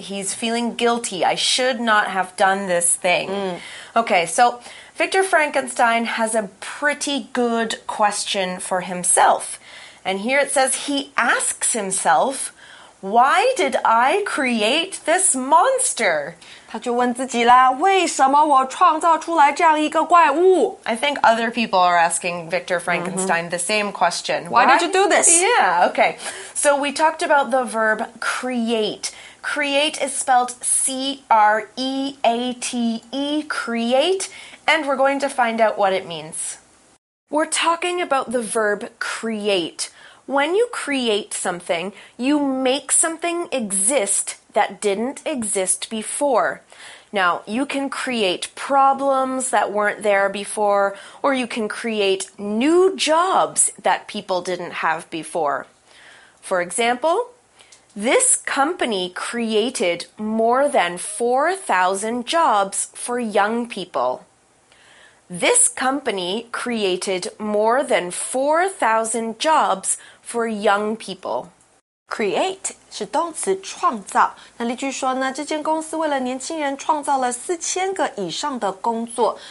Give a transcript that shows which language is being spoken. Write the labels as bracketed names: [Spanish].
[English] He's feeling guilty. I should not have done this thing. Mm. Okay, so Victor Frankenstein has a pretty good question for himself. And here it says he asks himself, why did I create this monster? [Chinese] 他就问自己啦，为什么我创造出来这样一个怪物？ [English] I think other people are asking Victor Frankenstein、mm-hmm. the same question. Why did you do this? Yeah, okay. So we talked about the verb create. Create is spelled C-R-E-A-T-E, create. And we're going to find out what it means. We're talking about the verb create. When you create something, you make something exist that didn't exist before. Now, you can create problems that weren't there before, or you can create new jobs that people didn't have before. For example, this company created more than 4,000 jobs for young people. This company created more than 4,000 jobs for young people. [Chinese] Create 是动词创造。那例句说呢，这间公司为了年轻人创造了4000个以上的工作。